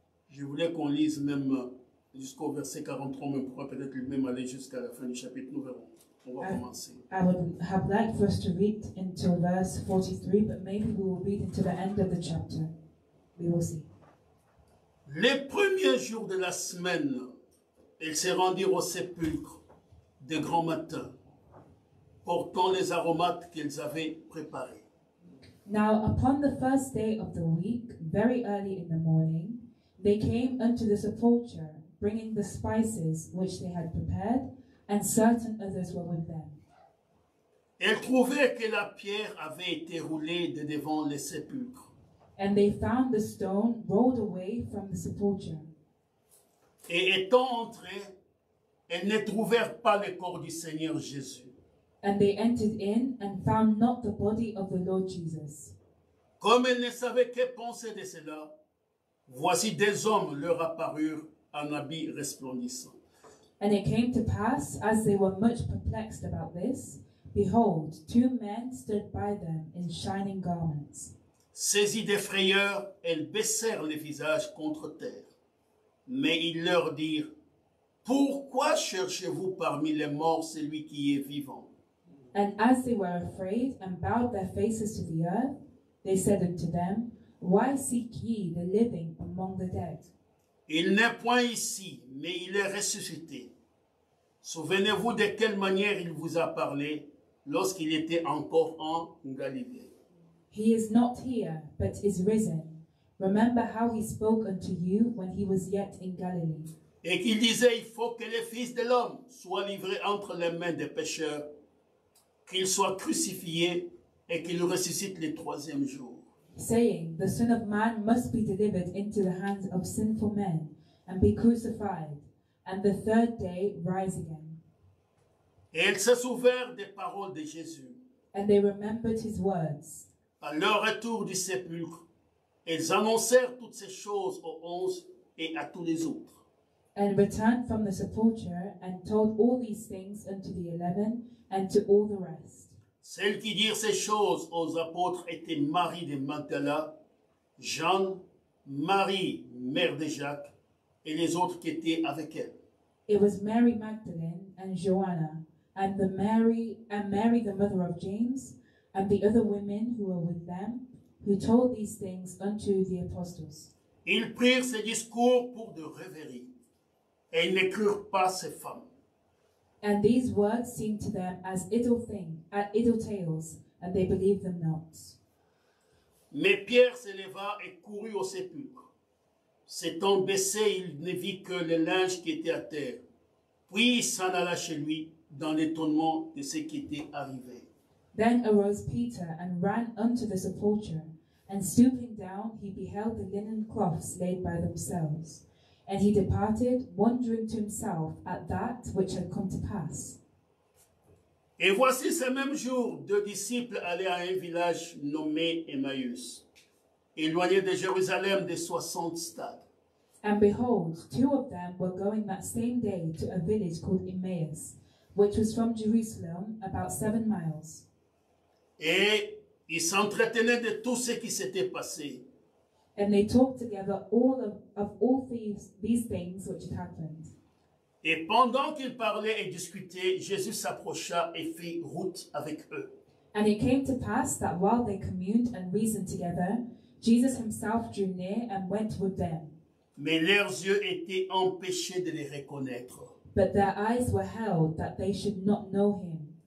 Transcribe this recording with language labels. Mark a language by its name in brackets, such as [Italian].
[French] Je voulais qu'on lise même jusqu'au verset 43, mais on pourra peut-être lui-même aller jusqu'à la fin du chapitre. Nous verrons. On va commencer. [English] I would have liked for us to read until verse 43, but maybe we will read until the end of the chapter. [French] Les premiers jours de la semaine, ils se rendirent au sépulcre de grand matin, portant les aromates qu'ils avaient préparés. [English] Now, upon the first day of the week, very early in the morning, they came unto the sepulchre, bringing the spices which they had prepared, and certain others were with them. [French] Ils trouvèrent que la pierre avait été roulée de devant le sépulcre. [English] And they found the stone rolled away from the sepulchre. [French] Et étant entrés, ils ne trouvèrent pas le corps du Seigneur Jésus. [English] And they entered in and found not the body of the Lord Jesus. [French] Comme ils ne savaient que penser de cela, voici des hommes leur apparurent en habits resplendissants. [English] And it came to pass, as they were much perplexed about this, behold, two men stood by them in shining garments. [French] Saisis d'effrayeur, elles baissèrent les visages contre terre. Mais ils leur dirent, pourquoi cherchez-vous parmi les morts celui qui est vivant? [English] And as they were afraid and bowed their faces to the earth, they said unto them, why seek ye the living among the dead? [French] Il n'est point ici, mais il est ressuscité. Souvenez-vous de quelle manière il vous a parlé lorsqu'il était encore en Galilée. [English] He is not here, but is risen. Remember how he spoke unto you when he was yet in Galilee. [French] Et qu'il disait, il faut que le Fils de l'homme soit livré entre les mains des pécheurs, qu'il soit crucifié et qu'il ressuscite le troisième jour. [English] Saying, the Son of Man must be delivered into the hands of sinful men and be crucified, and the third day rise again. [French] Et ils se souvèrent des paroles de Jésus. [English] And they remembered his words. [French] À leur retour du sépulcre, ils annoncèrent toutes ces choses aux onze et à tous les autres. [English] And returned from the sepulchre and told all these things unto the 11 and to all the rest. [French] Celles qui dirent ces choses aux apôtres étaient Marie de Magdala, Jean, Marie, mère de Jacques, et les autres qui étaient avec elle. [English] It was Mary Magdalene and Joanna, and the Mary and Mary the mother of James, and the other women who were with them, who told these things unto the apostles. [French] Ils prirent ces discours pour de rêverie, et ils ne crurent pas ces femmes. [English] And these words seemed to them as idle tales, and they believed them not. [French] Mais Pierre se leva et courut au sépulcre. S'étant baissé, il ne vit que le linge qui était à terre. Puis il s'en alla chez lui dans l'étonnement de ce qui était arrivé. [English] Then arose Peter and ran unto the sepulchre, and stooping down, he beheld the linen cloths laid by themselves. And he departed, wondering to himself at that which had come to pass. [French] Et voici ce même jour, deux disciples allaient à un village nommé Emmaüs, éloigné de Jérusalem de 60 stades. [English] And behold, two of them were going that same day to a village called Emmaüs, which was from Jerusalem, about 7 miles. [French] Et ils s'entretenaient de tout ce qui s'était passé. [English] And they talked together all of these things which had happened. [French] Et pendant qu'ils parlaient et discutaient, Jésus s'approcha et fit route avec eux. [English] And it came to pass that while they communed and reasoned together, Jesus himself drew near and went with them. [French] Mais leurs yeux étaient empêchés de les reconnaître. [English] But their eyes were held that they should not know him.